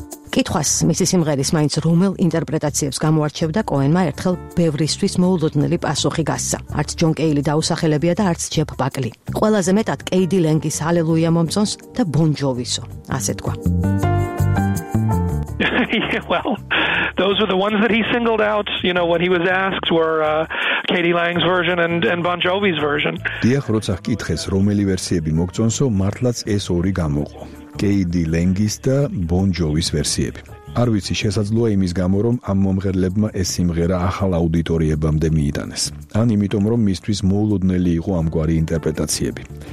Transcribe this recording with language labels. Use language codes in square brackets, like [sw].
[ka] კითხვას მისი სიმღერის მაინც რომელ ინტერპრეტაციებს გამოარჩევდა კოენმა ერთხელ ბევრისთვის მოულოდნელი პასუხი გასცა. არც ჯონ კეილი დაუსახელებია და არც ჯეფ ბაკლი. ყველაზე მეტად კეიდი ლენგის Hallelujah მომწონს და Bon Jovi-სო, ასე თქვა. [en] Well, those were the ones that he singled out, you know, when he was asked were Katie Lang's version and Bon Jovi's version. [ka] დიახ, როცა ჰკითხეს რომელი ვერსიები მოგწონსო, მართლაც ეს ორი გამოყო. კეიდი ლენგის და Bon Jovi's ვერსიები. არ ვიცი, შესაძლოა იმის გამო, რომ ამ მომღერლებმა ეს სიმღერა ახალ აუდიტორიებამდე მიიტანეს. ან იმიტომ, რომ მისთვის მოულოდნელი იყო ამგვარი ინტერპრეტაციები.